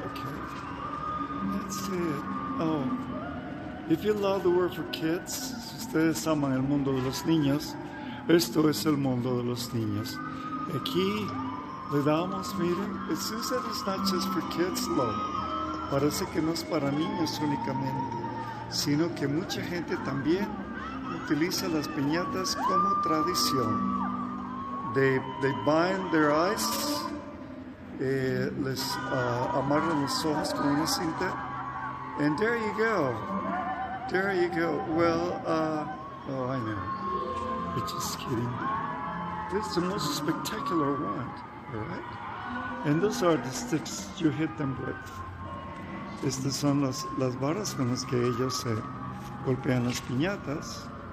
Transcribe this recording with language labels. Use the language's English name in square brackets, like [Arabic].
[English] Okay. That's it. Oh. If you love the world for kids, [Spanish] si ustedes aman el mundo de los niños, esto es el mundo de los niños. Aquí le damos, miren, [English] it seems that it's not just for kids, love. [Spanish] Parece que no es para niños únicamente, sino que mucha gente también utiliza las piñatas como tradición. [English] They bind their eyes, [Spanish] les amarran los ojos con una cinta, [English] and there you go. There you go. Well, oh, I know. I'm just kidding. This is the most spectacular one, all right? And those are the sticks you hit them with. [Spanish] Estas son las varas con las que ellos se golpean las piñatas.